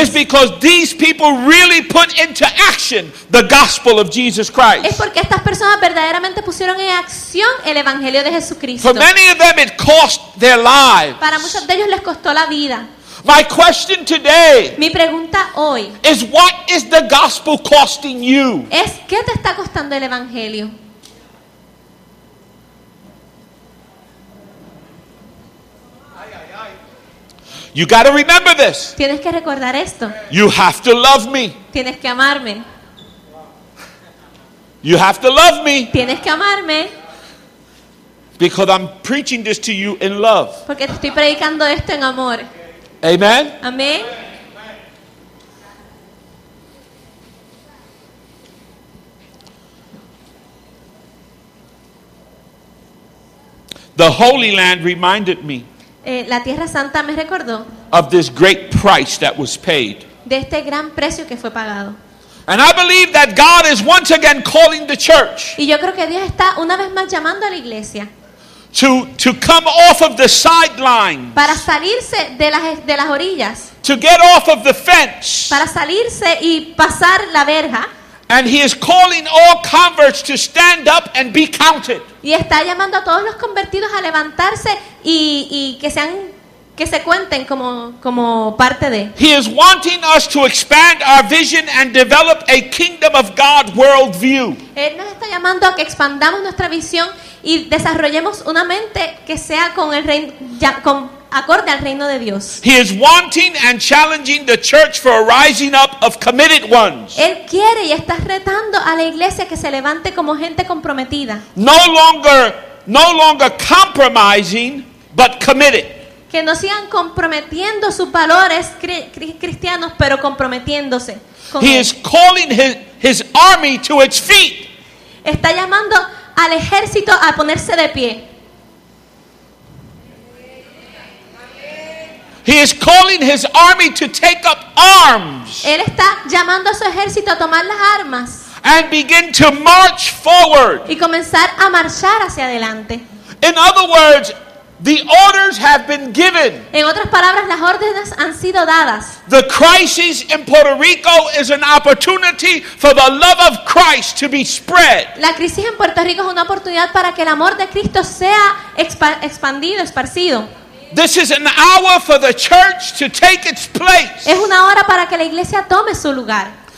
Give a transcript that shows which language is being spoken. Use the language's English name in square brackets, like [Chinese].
[English] Is because these people really put into action the gospel of Jesus Christ. [Spanish] Es porque estas personas verdaderamente pusieron en acción el evangelio de Jesucristo. [English] For many of them it cost their lives. [Spanish] Para muchos de ellos les costó la vida. [English] My question today. [Spanish] Mi pregunta hoy. [English] Is what is the gospel costing you? [Spanish] ¿Es qué te está costando el evangelio? [English] You got to remember this. [Spanish] Tienes que recordar esto. [English] You have to love me. [Spanish] Tienes que amarme. [English] You have to love me. [Spanish] Tienes que amarme. [English] Because I'm preaching this to you in love. [Spanish] Porque te estoy predicando esto en amor. [English] Amen. [Spanish] Amen. [English] The Holy Land reminded me. [Spanish] La Tierra Santa me recordó. [English] Of this great price that was paid. [Spanish] De este gran precio que fue pagado. [English] And I believe that God is once again calling the church. [Spanish] Y yo creo que Dios está una vez más llamando a la iglesia. [English] To come off of the sidelines. [Spanish] Para salirse de las orillas. [English] To get off of the fence. [Spanish] Para salirse y pasar la verja. [English] And he is calling all converts to stand up and be counted. [Spanish] Y está llamando a todos los convertidos a levantarse y que se cuenten como parte de. [English] He is wanting us to expand our vision and develop a kingdom of God worldview. [Spanish] Él nos está llamando a que expandamos nuestra visión y desarrollemos una mente que sea con el reino, con acorde al reino de Dios. [English] He is wanting and challenging the church for a rising up of committed ones. [Spanish] Él quiere y está retando a la iglesia que se levante como gente comprometida. [English] No longer compromising, but committed. [Spanish] Que no sigan comprometiendo sus valores cristianos, pero comprometiéndose. [English] He is calling his army to its feet. [Spanish] Está llamando al ejército a ponerse de pie. [English] He is calling his army to take up arms. [Spanish] Él está llamando a su ejército a tomar las armas. [English] And begin to march forward. [Spanish] Y comenzar a marchar hacia adelante. [English] In other words, the orders have been given. [Spanish] En otras palabras, las órdenes han sido dadas. [English] The crisis in Puerto Rico is an opportunity for the love of Christ to be spread. [Spanish] La crisis en Puerto Rico es una oportunidad para que el amor de Cristo sea expandido, esparcido. [English] This is an hour for the church to take its place. [Spanish] Es una hora para que la iglesia tome su lugar.